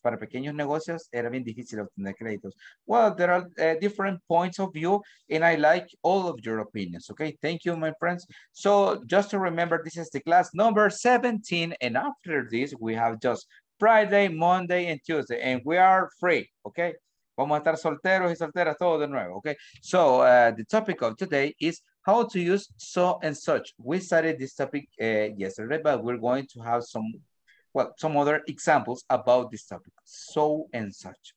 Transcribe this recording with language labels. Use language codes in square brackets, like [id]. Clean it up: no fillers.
[es] Para pequeños negocios era bien difícil obtener créditos. [en] Well, there are different points of view, and I like all of your opinions. Okay, thank you, my friends. So just to remember, this is the class number 17, and after this, we have just Friday, Monday, and Tuesday, and we are free, okay? [es] Vamos a estar solteros y solteras todo de nuevo, okay? [en] So the topic of today is how to use so and such. We studied this topic yesterday, but we're going to have some, well, some other examples about this topic, so and such.